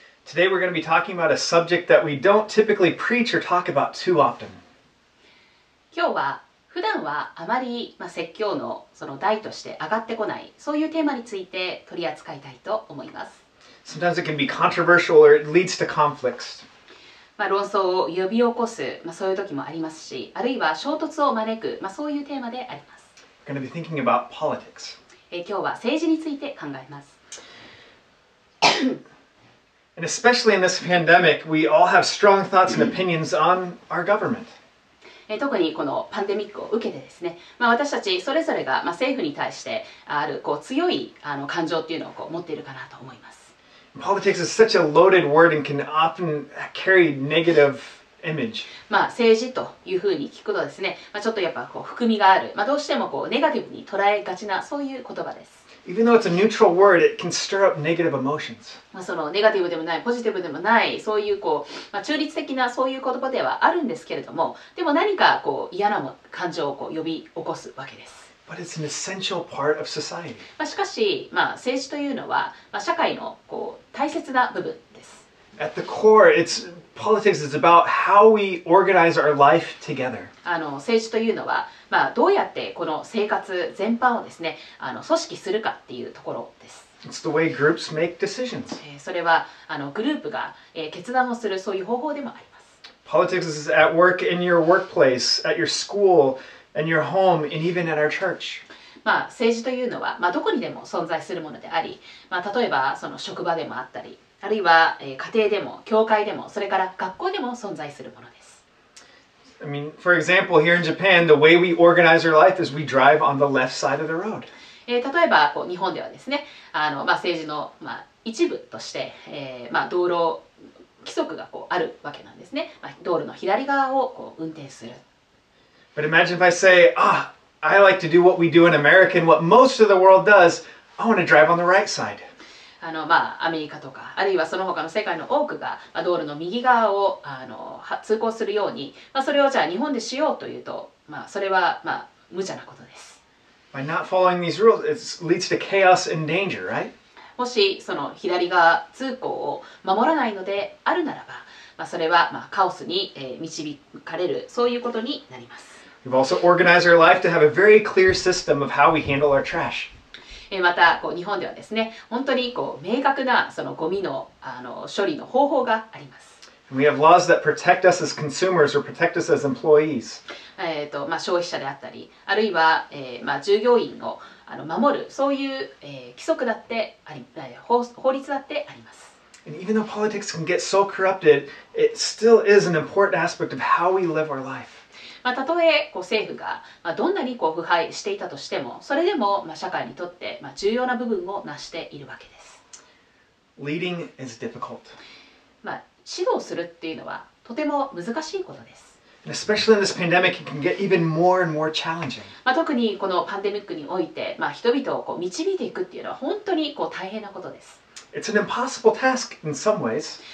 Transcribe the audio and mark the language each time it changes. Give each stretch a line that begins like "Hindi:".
English: Today we're going to be talking about a subject that we don't typically preach or talk about too often.
Japanese: 今日は普段はあまり説教のその題として上がってこないそういうテーマについて取り扱いたいと思います。
English: Sometimes it can be controversial or it leads to conflicts.
Japanese: まあ論争を呼び起こす、まあ、そういう時もありますし、あるいは衝突を招く、まあ、そういうテーマであります。
English: We're going to be thinking about politics.
Japanese: 今日は政治について考えます。
English: And especially in this pandemic, we all have strong thoughts and opinions on our government.
Japanese: 特にこのパンデミックを受けてですね、まあ、私たちそれぞれが、まあ、政府に対してあるこう強いあの感情っていうのをこう持っているかなと思います。
English: Politics is such a loaded word and can often carry negative image.
Japanese: まあ政治というふうに聞くとですね、まあ、ちょっとやっぱこう含みがある、まあ、どうしてもこうネガティブに捉えがちなそういう言葉です。
English: Even though it's a neutral word, it can stir up negative emotions.
Japanese: まあそのネガティブでもない、ポジティブでもない、そういうこう、まあ、中立的なそういう言葉ではあるんですけれども、でも何かこう嫌な感情をこう呼び起こすわけです。
English: But it's an essential part of society.
Japanese: まあしかし、まあ、政治というのは、まあ、社会のこう大切な部分です。
English: At the core, it's politics is about how we organize our life together.
Japanese: あの政治というのは、まあ、どうやってこの生活全般をですね、あの組織するかっていうところです。
English: It's the way groups make decisions.
Japanese: それはあのグループが、決断をするそういう方法でもあります。
English: Politics is at work in your workplace, at your school. And your home, and even at our church.
Japanese: まあ政治というのは、まあ、どこにでも存在するものであり、まあ、例えばその職場でもあったり、あるいは家庭でも、教会でも、それから学校でも存在するものです。
English: I mean, for example, here in Japan, the way we organize our life is we drive on the left side of the road.
Japanese: 例えばこう日本ではですね、あのまあ政治のまあ一部として、まあ道路規則がこうあるわけなんですね。まあ、道路の左側をこう運転する。
English: But imagine if I say, ah, I like to do what we do in America and what most of the world does, I want to drive on the right side.
Japanese: アメリカとかあるいはその他の世界の多くが、道路の右側を通行するように、それをじゃあ日本でしようというと、それは無茶なことです。
English: By not following these rules, it leads to chaos and danger, right?
Japanese: もしその左側通行を守らないのであるならば、それはカオスに導かれる、そういうことになります。
English: We've also organized our life to have a very clear system of how we handle our trash.
Japanese: またこう日本ではですね、本当にこう明確なそのゴミ の処理の方法があります。
English: We have laws that protect us as consumers or protect us as employees.
Japanese: 消費者であったり、あるいは、従業員を守る、そういう、規則だってあり、法律だってあります。
English: And even though politics can get so corrupted, it still is an important aspect of how we live our life.
Japanese: たとえこう政府が、どんなにこう腐敗していたとしても、それでも、社会にとって、重要な部分を成しているわけです。
English: Leading is difficult.
Japanese: 指導するっていうのはとても難しいことです。
English: Especially in this pandemic, it can get even more and more challenging.
Japanese: 特にこのパンデミックにおいて、人々をこう導いていくっていうのは本当にこう大変なことです。
English: It's an impossible task in some ways.